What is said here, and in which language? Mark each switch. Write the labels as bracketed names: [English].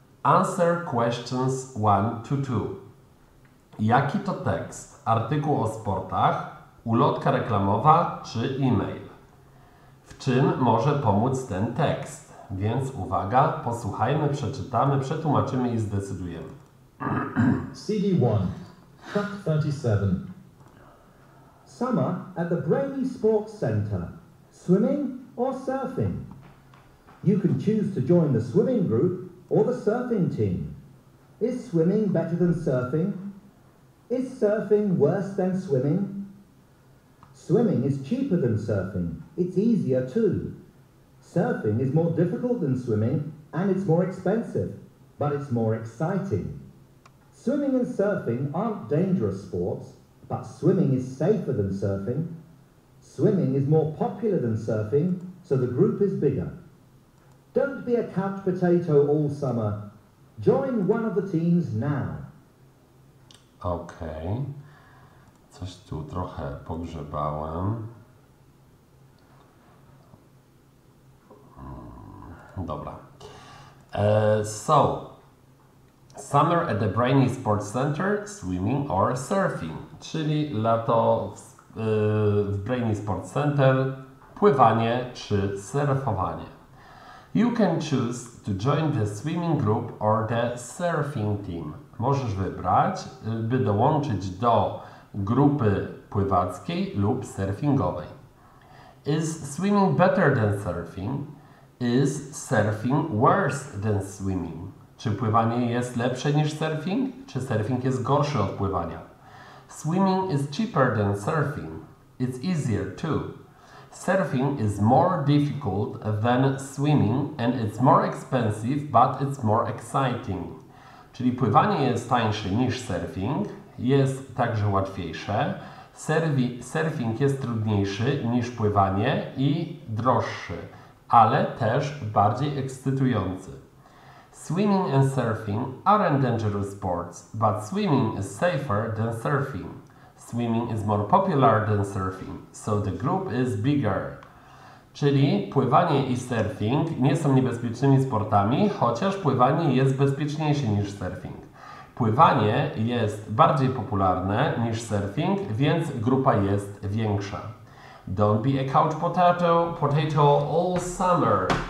[English] Answer questions 1 to 2. [Polish] Jaki to tekst? Artykuł o sportach, ulotka reklamowa czy e-mail? Czym może pomóc ten tekst? Więc uwaga, posłuchajmy, przeczytamy, przetłumaczymy i zdecydujemy. [English] CD1, track 37. Summer at the Brainy Sports Center. Swimming or surfing? You can choose to join the swimming group or the surfing team. Is swimming better than surfing? Is surfing worse than swimming? Swimming is cheaper than surfing. It's easier too. Surfing is more difficult than swimming, and it's more expensive, but it's more exciting. Swimming and surfing aren't dangerous sports, but swimming is safer than surfing. Swimming is more popular than surfing, so the group is bigger. Don't be a couch potato all summer. Join one of the teams now. Okay. [Polish] Coś tu trochę pogrzebałem. Dobra. [English] So, summer at the Brainy Sports Center, swimming or surfing? [Polish] Czyli lato w Brainy Sports Center, pływanie czy surfowanie? [English] You can choose to join the swimming group or the surfing team. [Polish] Możesz wybrać, by dołączyć do grupy pływackiej lub surfingowej. [English] Is swimming better than surfing? Is surfing worse than swimming? [Polish] Czy pływanie jest lepsze niż surfing? Czy surfing jest gorszy od pływania? [English] Swimming is cheaper than surfing. It's easier too. Surfing is more difficult than swimming and it's more expensive, but it's more exciting. [Polish] Czyli pływanie jest tańsze niż surfing, jest także łatwiejsze. Surfing jest trudniejszy niż pływanie i droższy, ale też bardziej ekscytujący. [English] Swimming and surfing aren't dangerous sports, but swimming is safer than surfing. Swimming is more popular than surfing, so the group is bigger. [Polish] Czyli pływanie i surfing nie są niebezpiecznymi sportami, chociaż pływanie jest bezpieczniejsze niż surfing. Pływanie jest bardziej popularne niż surfing, więc grupa jest większa. [English] Don't be a couch potato all summer.